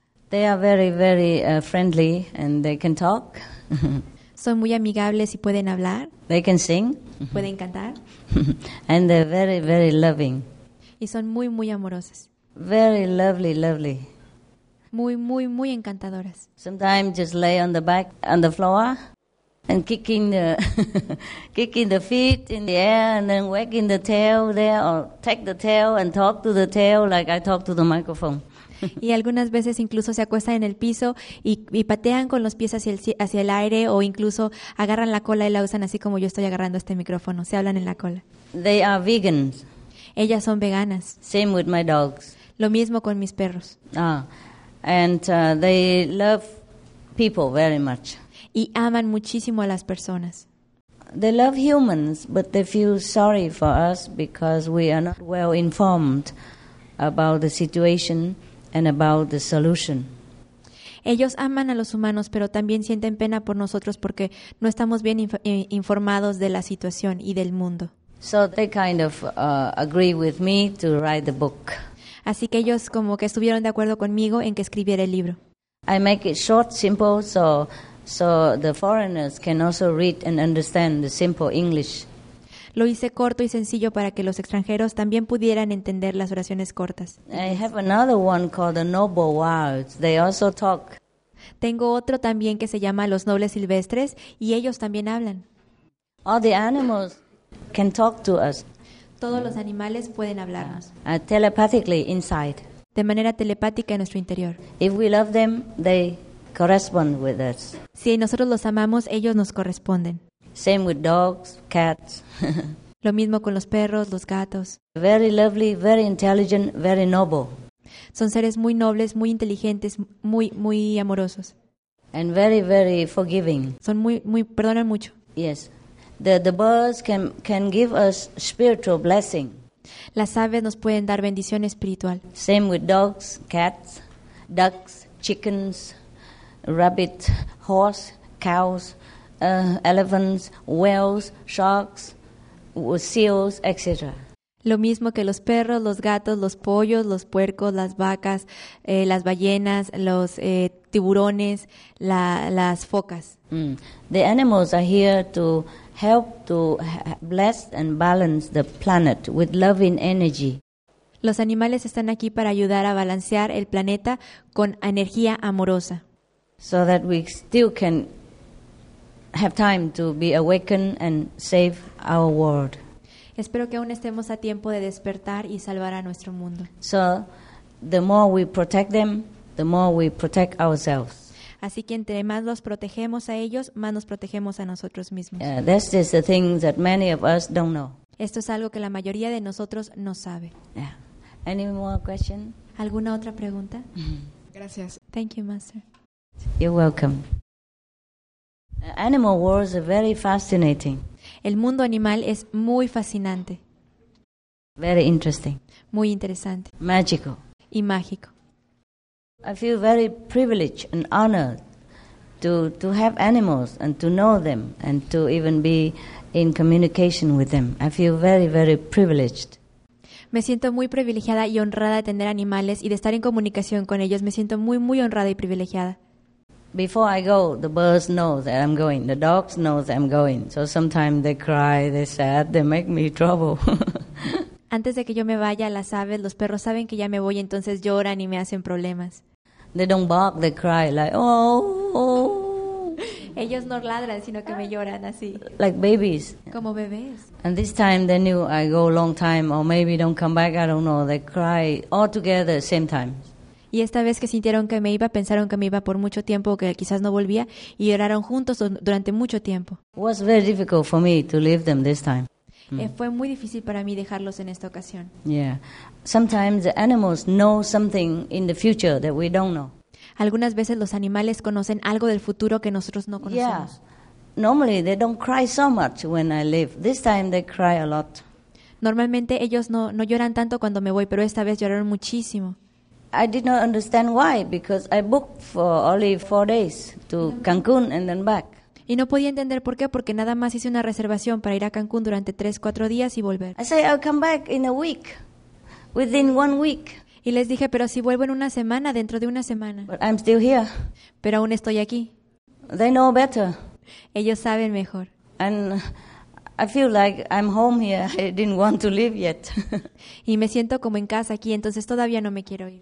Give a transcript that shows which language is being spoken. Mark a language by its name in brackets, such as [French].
[English] They are very, very friendly and they can talk. [Spanish] Son muy amigables y pueden hablar. [English] They can sing. [Spanish] Pueden cantar. [English] And they're very, very loving. [Spanish] Y son muy, muy amorosas. [English] Very lovely, lovely. [Spanish] Muy, muy, muy encantadoras. [English] Sometimes just lay on the back on the floor and kicking the feet in the air and then wagging the tail there or take the tail and talk to the tail like I talk to the microphone. [Spanish] Y algunas veces incluso se acuestan en el piso y patean con los pies hacia el aire o incluso agarran la cola y la usan así como yo estoy agarrando este micrófono. Se hablan en la cola. [English] They are vegans. [Spanish] Ellas son veganas. [English] Same with my dogs. [Spanish] Lo mismo con mis perros. Ah. [English] And they love people very much. [Spanish] Y aman muchísimo a las personas. [English] They love humans, but they feel sorry for us because we are not well informed about the situation and about the solution. [Spanish] Ellos aman a los humanos, pero también sienten pena por nosotros porque no estamos bien informados de la situación y del mundo. [English] So they kind of agree with me to write the book. [Spanish] Así que ellos como que estuvieron de acuerdo conmigo en que escribiera el libro. [English] I make it short, simple, so the foreigners can also read and understand the simple English. [Spanish] Lo hice corto y sencillo para que los extranjeros también pudieran entender las oraciones cortas. [English] I have another one called The Noble Wilds. They also talk. [Spanish] Tengo otro también que se llama Los Nobles Silvestres y ellos también hablan. [English] All the animals can talk to us. [Spanish] Todos los animales pueden hablarnos. [English] Telepathically inside. [Spanish] De manera telepática en nuestro interior. [English] If we love them, they correspond with us. [Spanish] Si nosotros los amamos, ellos nos corresponden. [English] Same with dogs, cats. [Spanish] Lo mismo con los perros, los gatos. [English] Very lovely, very intelligent, very noble. [Spanish] Son seres muy nobles, muy inteligentes, muy muy amorosos. [English] And very very forgiving. [Spanish] Son muy muy perdonan mucho. [English] Yes. The birds can give us spiritual blessing. [Spanish] Las aves nos pueden dar bendición espiritual. [English] Same with dogs, cats, ducks, chickens, rabbit, horse, cows, elephants, whales, sharks, seals, etc. [Spanish] Lo mismo que los perros, los gatos, los pollos, los puercos, las vacas, las ballenas, los tiburones, las focas. Mm. [English] The animals are here to help to bless and balance the planet with loving energy. [Spanish] Los animales están aquí para ayudar a balancear el planeta con energía amorosa. [English] So that we still can have time to be awakened and save our world. [Spanish] Espero que aún estemos a tiempo de despertar y salvar a nuestro mundo. [English] So, the more we protect them, the more we protect ourselves. [Spanish] Así que entre más los protegemos a ellos, más nos protegemos a nosotros mismos. [English] This is the thing that many of us don't know. [Spanish] Esto es algo que la mayoría de nosotros no sabe. [English] Yeah. Any more question? [Spanish] ¿Alguna otra pregunta? Gracias. [English] Thank you, Master. You're welcome. Animal worlds are very fascinating. [Spanish] El mundo animal es muy fascinante. [English] Very interesting. [Spanish] Muy interesante. [English] Magical. [Spanish] Y mágico. [English] I feel very privileged and honored to have animals and to know them and to even be in communication with them. I feel very, very privileged. [Spanish] Me siento muy privilegiada y honrada de tener animales y de estar en comunicación con ellos. Me siento muy, muy honrada y privilegiada. [English] Before I go, the birds know that I'm going. The dogs know that I'm going. So sometimes they cry, they're sad, they make me trouble. [Spanish] Antes de que yo me vaya, las aves, los perros saben que ya me voy, entonces lloran y me hacen problemas. [English] They don't bark, they cry like, oh. [Spanish] Ellos no ladran, sino que me lloran así. [English] Like babies. [Spanish] Como bebés. [English] And this time they knew I go a long time or maybe don't come back, I don't know. They cry all together at the same time. [Spanish] Y esta vez que sintieron que me iba, pensaron que me iba por mucho tiempo, que quizás no volvía, y lloraron juntos durante mucho tiempo. [English] Was very difficult for me to leave them this time. [Spanish] Fue muy difícil para mí dejarlos en esta ocasión. [English] Yeah. Sometimes the animals know something in the future that we don't know. [Spanish] Algunas veces los animales conocen algo del futuro que nosotros no conocemos. [English] Yeah. Normally they don't cry so much when I leave. This time they cry a lot. [Spanish] Normalmente ellos no lloran tanto cuando me voy, pero esta vez lloraron muchísimo. [English] I did not understand why, because I booked for only 4 days to Cancun and then back. [Spanish] Y no podía entender por qué, porque nada más hice una reservación para ir a Cancún durante 3-4 días y volver. [English] I said, I'll come back in a week, within 1 week. [Spanish] Y les dije, pero si vuelvo en una semana, dentro de una semana. [English] But I'm still here. [Spanish] Pero aún estoy aquí. [English] They know better. [Spanish] Ellos saben mejor. [English] And I feel like I'm home here. I didn't want to leave yet. [Spanish] Y me siento como en casa aquí, entonces todavía no me quiero ir.